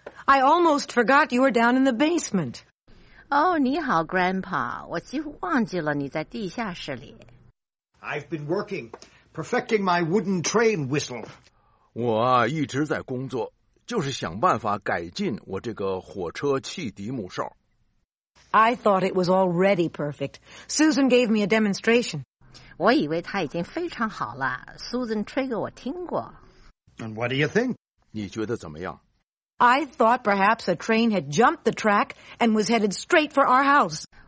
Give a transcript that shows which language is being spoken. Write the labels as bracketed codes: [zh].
[en] I almost forgot you were down in the basement. Oh, [zh] 你好, [en] Grandpa. [zh] 我几乎忘记了你在地下室里。 [en] I've been working, perfecting my wooden train whistle. [zh] 我一直在工作, 就是想办法改进我这个火车汽笛木哨。 [en] I thought it was already perfect. Susan gave me a demonstration. [zh] 我以为他已经非常好了。Susan 吹给我听过。And [en] what do you think? [zh] 你觉得怎么样? [en] I thought perhaps a train had jumped the track and was headed straight for our house.